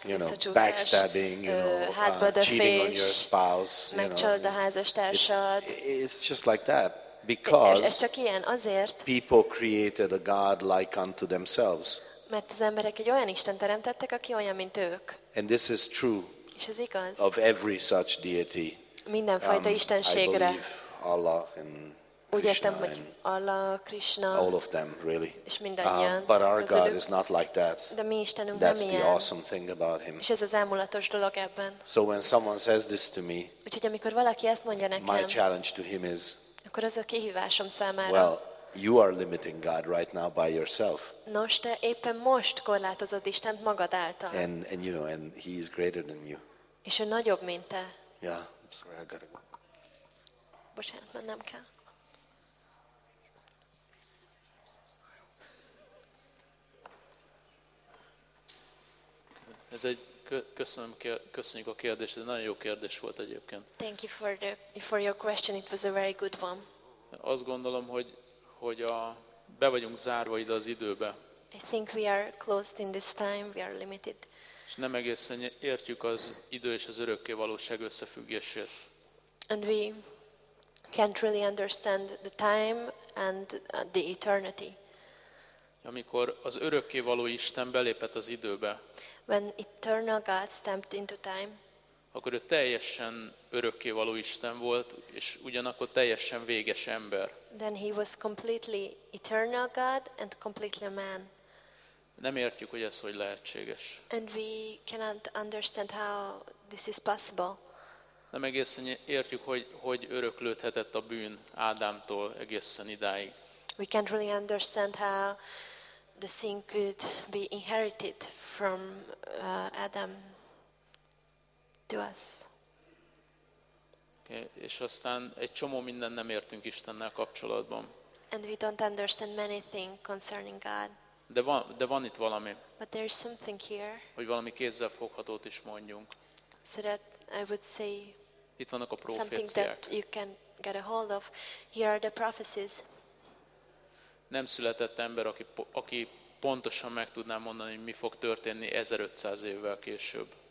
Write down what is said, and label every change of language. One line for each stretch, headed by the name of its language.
English: you know, backstabbing, you know, cheating on your spouse, you know.
Hungarian: Megcsalod a házastársad.
English: It's just like that. Because
Hungarian: ez csak ilyen, azért,
English: people created a god like unto themselves.
Hungarian: Mert az emberek egy olyan Isten teremtettek, aki olyan, mint ők.
English: And this is true.
Hungarian: És ez igaz.
English: Of every such deity.
Hungarian: Mindenfajta istenségre.
English: I believe Allah and Krishna.
Hungarian: Úgy értem, hogy Allah, Krishna.
English: All of them, really.
Hungarian: És mindannyian.
English: But our God is not like that.
Hungarian: De mi Istenünk nem.
English: That's
Hungarian: ilyen.
English: The awesome thing about him.
Hungarian: És ez az elmulatos dolog ebben.
English: So when someone says this to me.
Hungarian: Úgyhogy amikor valaki ezt mondja nekem.
English: My challenge to him is.
Hungarian: Akkor az a kihívásom számára.
English: Well, you are limiting God right now by yourself.
Hungarian: Nos, te éppen most korlátozod Istent magad által.
English: And you know, and he is greater than you.
Hungarian: És ő nagyobb, mint te.
English: Yeah, I'm sorry, I gotta go.
Hungarian: Bocsánat, mennem kell. Ez egy köszönjük a kérdést, ez egy nagyon jó kérdés volt egyébként.
English: Thank you for your question. It was a very good one.
Hungarian: Azt gondolom, hogy be vagyunk zárva ide az időbe.
English: I think we are closed in this time, we are limited.
Hungarian: És nem egészen értjük az idő és az örökké valóság összefüggését.
English: And we can't really understand the time and the eternity.
Hungarian: Amikor az örökké való Isten belépett az időbe.
English: When eternal God stepped into time.
Hungarian: Akkor ő teljesen örökké való Isten volt, és ugyanakkor teljesen véges ember.
English: Then he was completely eternal God and completely man.
Hungarian: Nem értjük, hogy ez hogy lehetséges.
English: And we cannot understand how this is possible.
Hungarian: Nem egészen értjük, hogy öröklődhetett a bűn Ádámtól egészen idáig.
English: We can't really understand how the sin could be inherited from Adam to us.
Hungarian: És aztán egy csomó minden nem értünk Istennel kapcsolatban.
English: And we don't understand many things concerning God.
Hungarian: De van itt valami.
English: But there is something here.
Hungarian: Hogy valami kézzel foghatót is mondjunk.
English: So that I would say.
Hungarian: Itt vannak a proféciák.
English: Something that you can get a hold of. Here are the prophecies.
Hungarian: Nem született ember, aki pontosan meg tudná mondani, hogy mi fog történni 1500 évvel később.